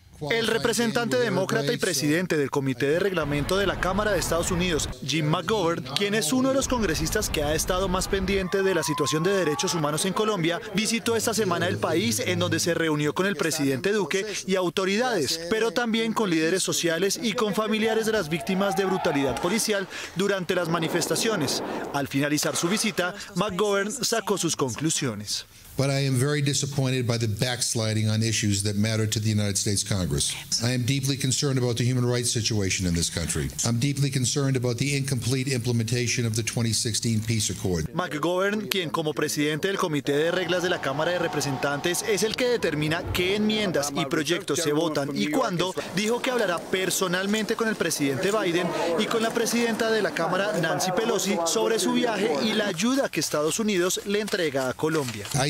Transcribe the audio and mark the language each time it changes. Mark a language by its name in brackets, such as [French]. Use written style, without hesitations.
[Spanish] El representante demócrata y presidente del Comité de Reglamento de la Cámara de Estados Unidos, Jim McGovern, quien es uno de los congresistas que ha estado más pendiente de la situación de derechos humanos en Colombia, visitó esta semana el país en donde se reunió con el presidente Duque y autoridades, pero también con líderes sociales y con familiares de las víctimas de brutalidad policial durante las manifestaciones. Al finalizar su visita, McGovern sacó sus conclusiones. [English] But I am very disappointed by the backsliding on issues that matter to the United States Congress. I am deeply concerned about the human rights situation in this country. I'm deeply concerned about the incomplete implementation of the 2016 peace accord. [Spanish] McGovern, quien como presidente del Comité de Reglas de la Cámara de Representantes es el que determina qué enmiendas y proyectos se votan y cuándo, dijo que hablará personalmente con el presidente Biden y con la presidenta de la Cámara, Nancy Pelosi, sobre su viaje y la ayuda que Estados Unidos le entrega a Colombia.